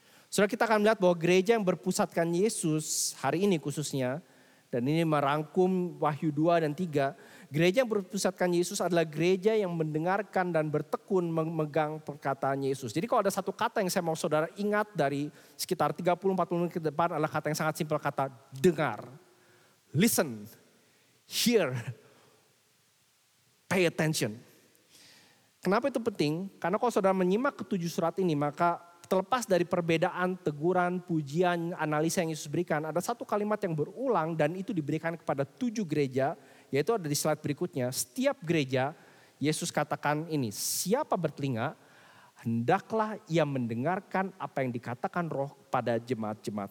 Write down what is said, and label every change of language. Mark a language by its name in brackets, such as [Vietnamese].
[Indonesian] Saudara, kita akan melihat bahwa gereja yang berpusatkan Yesus hari ini khususnya, dan ini merangkum Wahyu 2 dan 3. Gereja yang berpusatkan Yesus adalah gereja yang mendengarkan dan bertekun memegang perkataan Yesus. Jadi kalau ada satu kata yang saya mau saudara ingat dari sekitar 30-40 menit ke depan adalah kata yang sangat simpel, kata dengar. [English] Listen, hear, pay attention. [Indonesian] Kenapa itu penting? Karena kalau saudara menyimak ketujuh surat ini, maka terlepas dari perbedaan, teguran, pujian, analisa yang Yesus berikan, ada satu kalimat yang berulang dan itu diberikan kepada tujuh gereja, yaitu ada di slide berikutnya. Setiap gereja, Yesus katakan ini, siapa bertelinga, hendaklah ia mendengarkan apa yang dikatakan Roh kepada jemaat-jemaat.